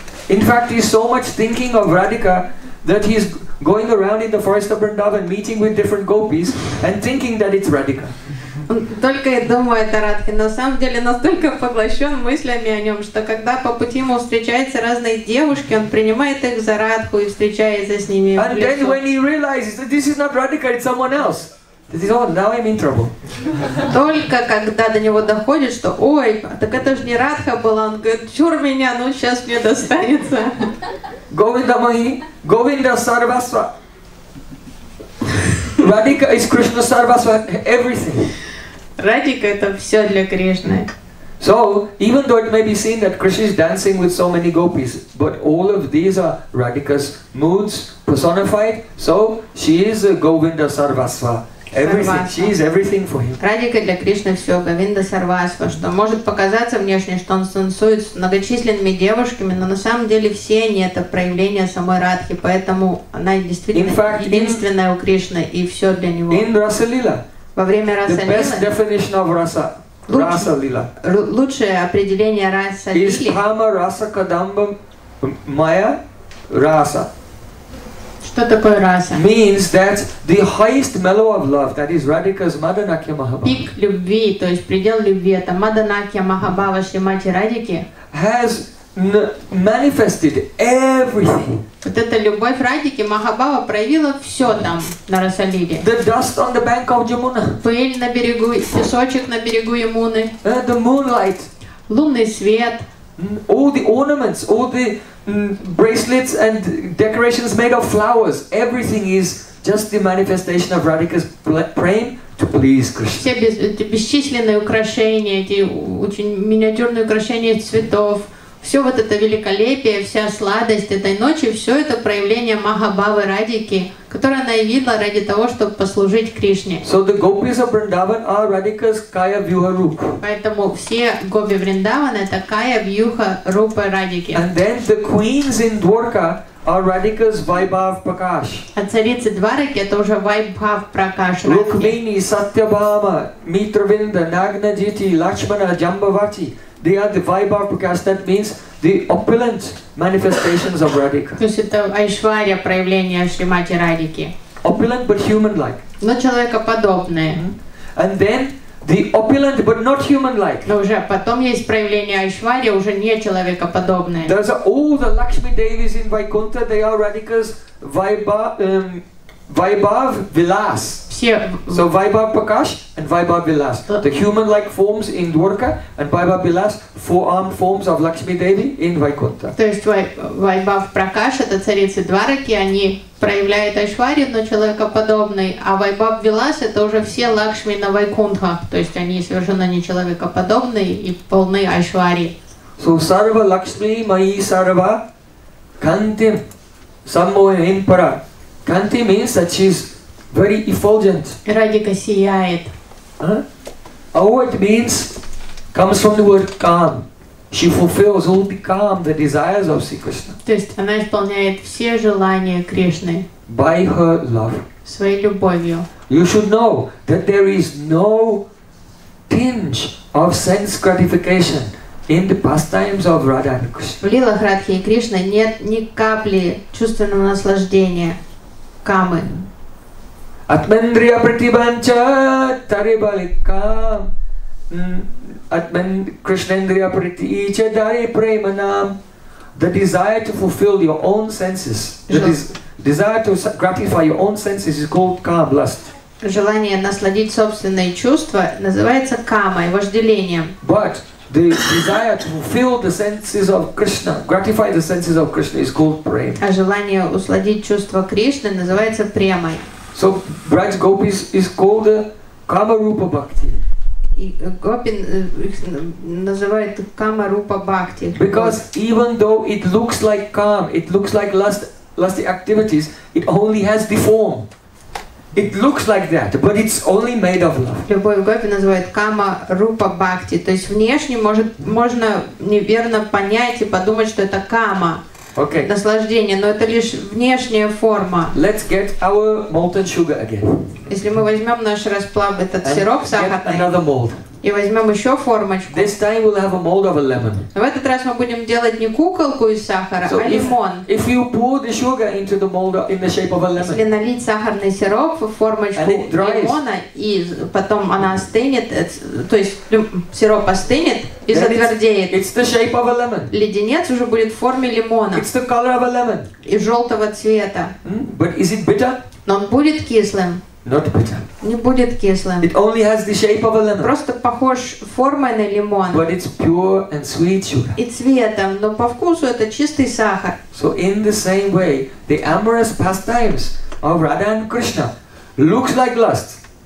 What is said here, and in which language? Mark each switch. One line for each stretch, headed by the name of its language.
English: In fact, he's so much thinking of Radhika that he's going around in the forest of Vrindavan meeting with different gopis and thinking that it's Radhika.
Russian: Он только и думает о Радхе, на самом деле настолько поглощен мыслями о нем, что когда по пути ему встречаются разные девушки, он принимает их за Радху и встречается с ними.
English: And then when he realizes that this is not Radhika, it's someone else, he says, oh, now I'm in trouble.
Russian: Только когда до него доходит, что, ой, так это же не Радха была, он говорит, чур меня, ну сейчас мне достанется.
Sanskrit: Govinda Mohini, Govinda Sarvasva.
English: Radhika is Krishna Sarvasva, everything.
Russian: Radhika это все для Кришны.
English: So, even though it may be seen that Krishna is dancing with so many gopis, but all of these are Radhika's moods personified, so she is Govinda Sarvasva. Everything. She is everything for him.
Russian: Радика для Кришны все, Говинда Сарвасва, что может показаться внешне, что он танцует с многочисленными девушками, но на самом деле все они это проявление самой Радхи, поэтому она действительно
English: fact,
Russian: единственная у Кришны и все для него.
English: In Rasalila,
Russian: во время Расалилы,
English: the best definition of Rasa, Rasalila,
Russian: лучшее определение Расалили,
Sanskrit: is Kama Rasa Kadamba Maya Rasa.
Russian: Что такое раса?
English: Means that the highest mellow of love, that is Radhika's Madanakya Mahabhava.
Russian: Пик любви, то есть предел любви, это Madanakya Mahabhava Шри Мати Радики.
English: Has manifested everything.
Russian: Вот эта любовь Радики Махабава проявила все там на Расалиле.
English: The dust on the bank of Jamuna.
Russian: Пыль на берегу, песочек на берегу Ямуны.
English: The moonlight.
Russian: Лунный свет.
English: All the ornaments, all the bracelets and decorations made of flowers, everything is just the manifestation of Radhika's prema to please Krishna.
Russian: Все бесчисленные украшения, эти очень миниатюрные украшения цветов, все вот это великолепие, вся сладость этой ночи, все это проявление Махабавы Радики, которое она явила ради того, чтобы послужить Кришне.
English: So the gopis of Vrindavan are Radhika's Kaya Vyuha Rupa.
Russian: Поэтому все гопи Вриндавана это Кая Вьюха Рупа Радики.
English: And then the queens in Dwarka are Radhika's Vaibhav Prakash.
Russian: А царицы Двараки это уже Вайбхав Пракаш Радхи. Рукмини, Сатьябама, Митравинда, Нагнаджити, Лакшмана, Джамбавати.
English: They are the Vaibhav Prakash, that means the opulent manifestations of Radhika.
Russian: То есть это Айшварья проявление Шримати Радики.
English: Opulent but human-like.
Russian: Но человекоподобное.
English: And then the opulent but not human-like.
Russian: Но уже потом есть проявление Айшварья, уже не человекоподобное.
English: There's all the Lakshmi Devis in Vaikuntha, they are Radhika's Vaibhav Vilas. So Vaibhav Prakash and Vaibhav Vilas, the human-like forms in Dwarka and Vaibhav Vilas, four-armed forms of Lakshmi Devi in Vaikuntha.
Russian: То есть Вайбав Пракаш это царицы Двараки, они проявляют Айшварью, но человекоподобный, а Вайбав Вилас это уже все Лакшми на Вайкунтха, то есть они совершенно не человекоподобные и полны Айшварьи.
Sanskrit: So Sarva Lakshmi Mayi Sarva Kanti,
Russian: самого импера.
English: Kanti means that she is very effulgent.
Russian: Радика сияет.
English: Award means comes from the word calm. She fulfills all the calm, the desires of Sri Krishna.
Russian: То есть она исполняет все желания Кришны.
English: By her love.
Russian: Своей любовью.
English: You should know that there is no tinge of sense gratification in the pastimes of Radha and Krishna.
Russian: В лилах Радхи и Кришны нет ни капли чувственного наслаждения, камы.
Sanskrit: Атмендрия притибанча тарибаликам. Атмен Кришнендрия притича дари преманам.
English: The desire to fulfill your own senses, desire to gratify your own senses is called kama lust.
Russian: Желание насладить собственные чувства называется камой, вожделением.
English: But the desire to fulfill the senses of Krishna, gratify the senses of Krishna is called prema.
Russian: А желание усладить чувства Кришны называется премой.
English: So Braj Gopis is called Kama Rupa Bhakti.
Russian: Гопин называет Kama Rupa Bhakti.
English: Because even though it looks like calm, it looks like lusty activities, it only has the form. It looks like that, but it's only made of love.
Russian: Любовь Гопи называет Kama Rupa Bhakti. То есть внешне можно неверно понять и подумать, что это кама.
English: Okay.
Russian: Наслаждение, но это лишь внешняя форма.
English: Let's get our molten sugar again.
Russian: Если мы возьмем наш расплав, этот
English: and
Russian: сироп сахарный,
English: another mold.
Russian: И возьмем еще формочку.
English: This time we'll have a mold of a lemon.
Russian: В этот раз мы будем делать не куколку из сахара,
English: so
Russian: а лимон.
English: If you pour the sugar into the mold in the shape of a lemon.
Russian: Если налить сахарный сироп в формочку лимона и потом она остынет, то есть сироп остынет и
English: then
Russian: затвердеет.
English: It's the shape of a lemon.
Russian: Леденец уже будет в форме лимона.
English: It's the color of a lemon.
Russian: И желтого цвета.
English: But is it bitter?
Russian: Но он будет кислым.
English: Not bitter.
Russian: Не будет кислым.
English: It only has the shape of a lemon.
Russian: Просто похож формой на лимон.
English: But it's pure and sweet sugar.
Russian: И цветом, но по вкусу это чистый сахар.
English: So in the same way, the amorous pastimes of Radha and Krishna looks like lust.